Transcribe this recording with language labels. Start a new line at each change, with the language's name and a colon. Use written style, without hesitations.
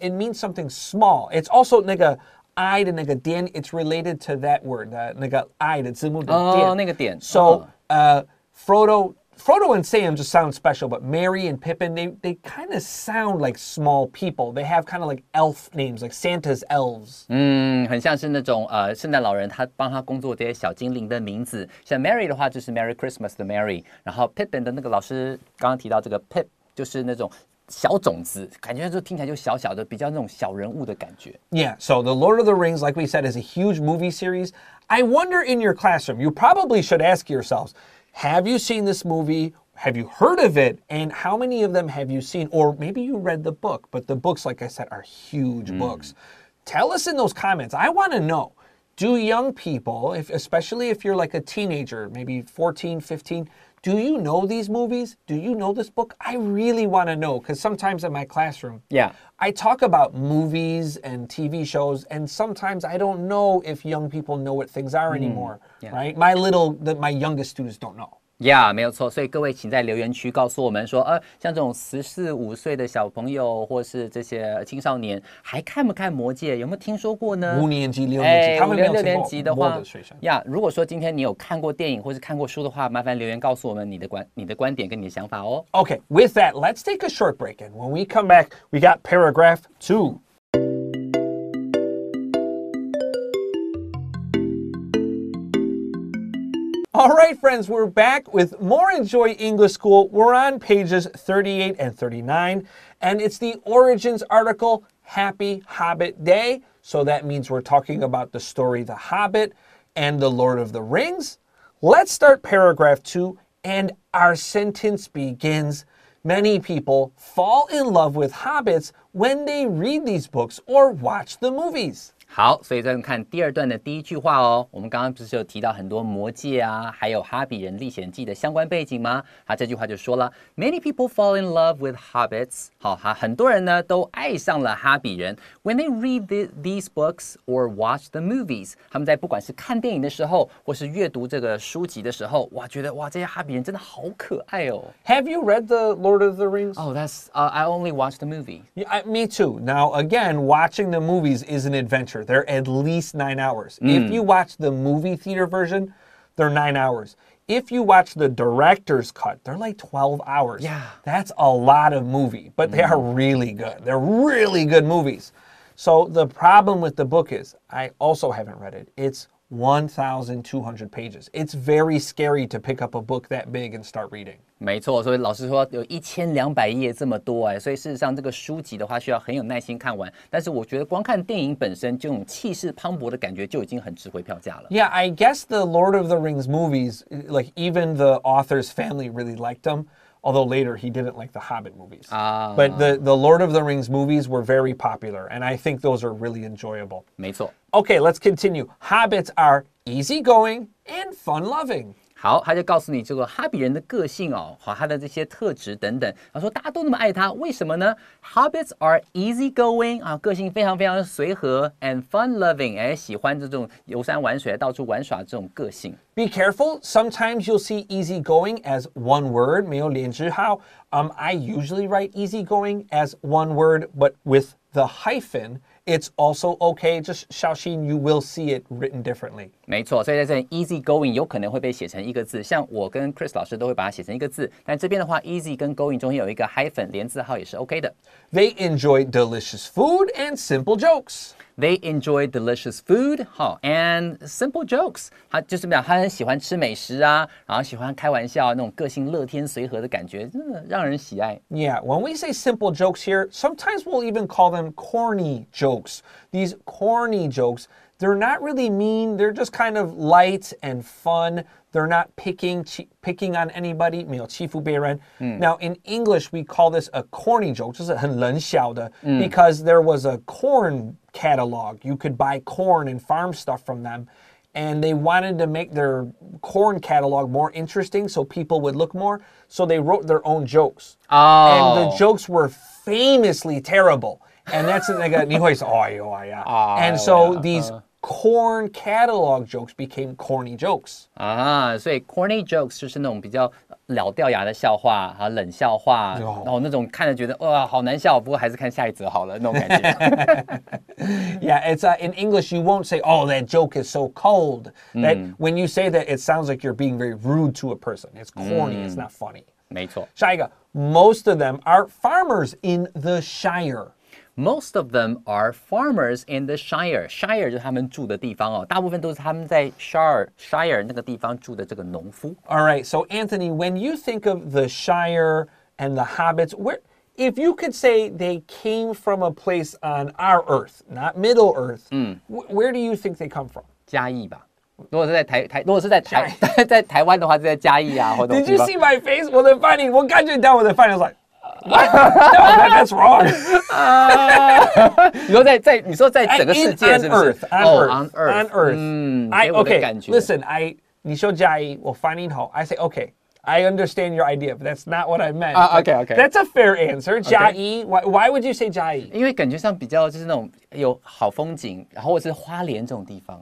English: It means something small. It's also
Chinese: 那个 爱的那个点,
English: it's related to that word,
Chinese: 那个爱的字幕的点。哦，那个点。
English: So、uh-huh. Frodo and Sam just sound special, but Merry and Pippin, they kind of sound like small people. They have kind of like elf names, like Santa's elves.
Chinese: 很像是那种圣诞老人他帮他工作这些小精灵的名字。像 Merry 的话就是 Merry Christmas 的 Merry， 然后 Pippin 的那个老师刚刚提到这个 Pip 就是那种小种子，感觉就听起来就小小的，比较那种小人物的感觉。
English: Yeah, so The Lord of the Rings, like we said, is a huge movie series. I wonder in your classroom, you probably should ask yourselves,Have you seen this movie? Have you heard of it? And how many of them have you seen? Or maybe you read the book, but the books, like I said, are huge books. Tell us in those comments. I want to know, do young people, especially if you're like a teenager, maybe 14, 15, do you know these movies? Do you know this book? I really want to know, because sometimes in my classroom, yeah, I talk about movies and TV shows, and sometimes I don't know if young people know what things are anymore. Yeah. Right? My youngest students don't know.
Chinese: Yeah, 没有错。所以各位请在留言区告诉我们说，像这种十四五岁的小朋友或是这些青少年，还看不看《魔戒》？有没有听说过呢？五年级、六年级，他们没有听过。六年级的话，如果说今天你有看过电影或是看过书的话，麻烦留言告诉我们你的观点跟你的想法哦。
English: Okay, with that, let's take a short break, and when we come back, we got paragraph two. All right, friends, we're back with more Enjoy English School. We're on pages 38 and 39, and it's the Origins article, Happy Hobbit Day. So that means we're talking about the story The Hobbit and The Lord of the Rings. Let's start paragraph two, and our sentence begins, Many people fall in love with hobbits when they read these books or watch the movies.
Chinese: 好，所以再看第二段的第一句话哦。我们刚刚不是有提到很多魔戒啊，还有哈比人历险记的相关背景吗？他这句话就说了
English: ，Many people fall in love with hobbits。
Chinese: 好，很多人呢都爱上了哈比人。
English: When they read these books or watch the movies，
Chinese: 他们在不管是看电影的时候，或是阅读这个书籍的时候，哇，觉得哇，这些哈比人真的好可爱哦。
English: Have you read the Lord of the Rings？ Oh， that's I only watched the movie. Yeah, me too. Now again, watching the movies is an adventure. They're at least 9 hours. If you watch the movie theater version, they're 9 hours. If you watch the director's cut, they're like 12 hours. Yeah. That's a lot of movie, but they are really good. They're really good movies. So the problem with the book is, I also haven't read it. It's 1,200 pages. It's very scary to pick up a book that big and start reading.
Chinese: 没错，所以老师说有1200页这么多哎，所以事实上这个书籍的话需要很有耐心看完。但是我觉得光看电影本身，这种气势磅礴的感觉就已经很值回票价了。
English: Yeah, I guess the Lord of the Rings movies, like even the author's family really liked them, although later he didn't like the Hobbit movies. But the Lord of the Rings movies were very popular, and I think those are really enjoyable.
Chinese: 没错。
English: Okay, let's continue. Hobbits are easygoing and fun-loving.
Chinese: 好，他就告诉你这个哈比人的个性哦，好，他的这些特质等等。他说大家都那么爱他，为什么呢 ？
English: Hobbits are easygoing
Chinese: 啊，个性非常非常随和 ，
English: and fun-loving，
Chinese: 哎，喜欢这种游山玩水、到处玩耍这种个性。
English: Be careful. Sometimes you'll see easygoing as one word,
Chinese: 没有连句号。
English: I usually write easygoing as one word, but with the hyphen. It's also okay, just Xiaoxin, you will see it written differently.
Chinese: 没错，所以在这 easy going 有可能会被写成一个字，像我跟 Chris 老师都会把它写成一个字，但这边的话 easy 跟 going 中间有一个 hyphen, 连字号也是 okay 的。
English: They enjoy delicious food and simple jokes. They enjoy delicious food, and simple jokes.
Chinese: 他就是讲他很喜欢吃美食啊，然后喜欢开玩笑，那种个性乐天随和的感觉，真的让人喜爱。
English: Yeah, when we say simple jokes here, sometimes we'll even call them corny jokes. These corny jokes, they're not really mean, they're just kind of light and fun. They're not picking on anybody,
Chinese: 没有欺负别人。
English: Now, in English, we call this a corny joke,
Chinese: 就是很冷笑的、
English: because there was a corn catalog. You could buy corn and farm stuff from them, and they wanted to make their corn catalog more interesting so people would look more, so they wrote their own jokes. Oh. And the jokes were famously terrible. And that's,
Chinese: 那个你会说, 哎呦, 哎呀。
English: And so these... corn catalog jokes became corny jokes.
Chinese: 啊，所以 corny jokes 就是那种比较老掉牙的笑话和冷笑话，然后那种看着觉得哇好难笑，不过还是看下一则好了那种感觉。
English: Yeah, it's in English you won't say, oh, that joke is so cold. That when you say that, it sounds like you're being very rude to a person. It's corny. It's not funny.
Chinese: 没错。下一个
English: ，most of them are farmers in the shire. Most of them are farmers in the Shire.
Chinese: Shire 就是他们住的地方哦，大部分都是他们在 Shire 那个地方住的这个农夫。
English: All right, so Antony, when you think of the Shire and the Hobbits, where, if you could say they came from a place on our Earth, not Middle Earth, where do you think they come from?
Chinese: 嘉义吧。如果是在台湾的话，就在嘉义啊，或者。
English: Did you see my face?
Chinese: 我的反应，我感觉到我的反应
English: was like. No, that's wrong.
Chinese: 你说在整个世界是不是
English: on Earth. Okay,
Chinese: listen, 你说嘉义，我翻译好。
English: I say, okay, I understand your idea, but that's not what I meant. Okay. That's a fair answer. 嘉义 why would you say 嘉义？
Chinese: 因为感觉上比较就是那种有好风景，然后或是花莲这种地方。